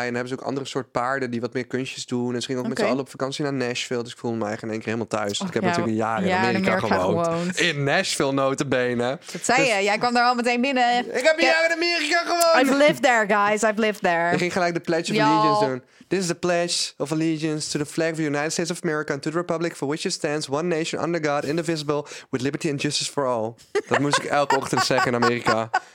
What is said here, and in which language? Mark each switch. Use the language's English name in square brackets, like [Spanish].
[Dutch] En dan hebben ze ook andere soort paarden die wat meer kunstjes doen. En ze gingen ook met z'n allen op vakantie naar Nashville. Dus ik voelde me eigenlijk in één keer helemaal thuis. Ik heb natuurlijk jaren in Amerika gewoond. In Nashville, notabene. Dat zei je. Jij kwam daar al meteen binnen. Ik heb jaren in Amerika gewoond. [English] I've lived there, guys. I've lived there. [Dutch] Ik ging gelijk de Pledge of Allegiance doen. [English] This is the Pledge of Allegiance to the flag of the United States of America and to the Republic for which it stands, one nation under God, indivisible, with liberty and justice for all. [Dutch] Dat moest ik elke ochtend zeggen in Amerika.